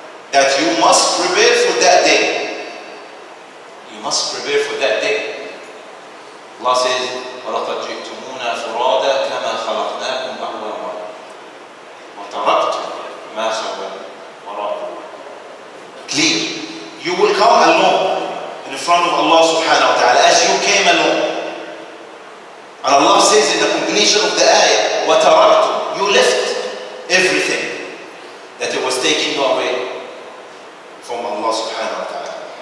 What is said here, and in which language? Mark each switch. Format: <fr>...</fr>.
<en>That you must prepare for that day. You must prepare for that day. Allah says,</en> <ar>وَلَقَدْ جِئْتُمُونَا فُرَادَ كَمَا خَلَقْنَاكُمْ أَوَّلَ مَرَّةٍ وَتَرَكْتُمْ مَا سَوَّيْتُمْ وَرَاءَ ظُهُورِكُمْ.</ar> <en>Clear. You will come alone in front of Allah subhanahu wa ta'ala as you came alone. And Allah says in the completion of the ayah, وَتَرَكْتُمْ, you left everything that it was taking away from Allah subhanahu wa ta'ala.</en>